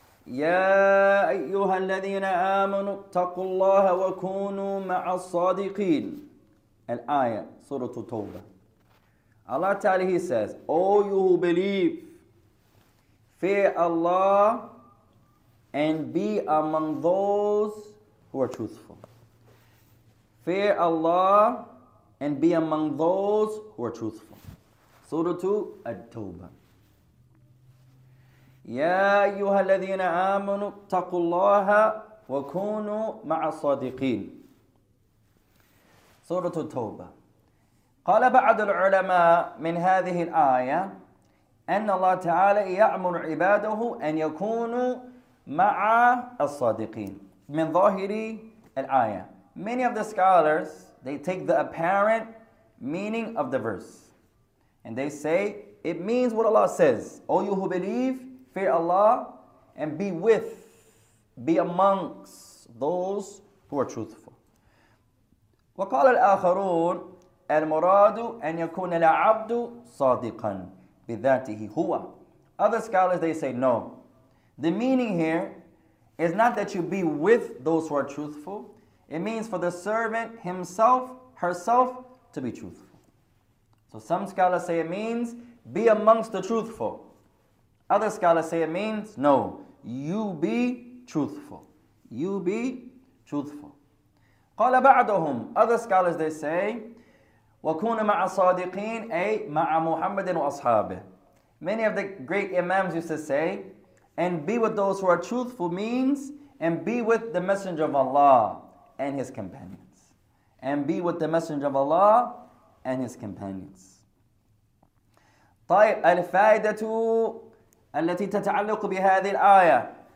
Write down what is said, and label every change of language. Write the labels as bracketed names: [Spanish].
[Arabic] يا أيها الذين آمنوا اتقوا الله وكونوا مع الصادقين. الآية سورة التوبة. [English] Allah Ta'ala, He says, O you who believe, fear Allah and be among those who are truthful. Fear Allah and be among those who are truthful. Surah At-Tawbah. [Arabic] Ya ayyuha alladhina amanu taqullaha wa kunu ma'a sadiqin. Surah At-Tawbah. قال بعض العلماء من هذه الآية أن الله تعالى يأمر عباده أن يكونوا مع الصادقين من ظاهر الآية. [English] Many of the scholars, they take the apparent meaning of the verse and they say it means what Allah says, O you who believe, fear Allah and be amongst those who are truthful. [Arabic] وقال الآخرون المراد أن يكون العبد صادقا بذاته هو. [English] Other scholars, they say, no. The meaning here is not that you be with those who are truthful. It means for the servant himself, herself, to be truthful. So some scholars say it means be amongst the truthful. Other scholars say it means, no, you be truthful. You be truthful. [Arabic] قال بعضهم. [English] Other scholars, they say, [Arabic] وَكُونَ مَعَ الصَّادِقِينَ أي مَعَ مُحَمَّدٍ وَأَصْحَابِهِ. [English] Many of the great imams used to say, and be with those who are truthful means, and be with the Messenger of Allah and his companions. And be with the Messenger of Allah and his companions. [Arabic] طيب الفائدة التي تتعلق بهذه الآية.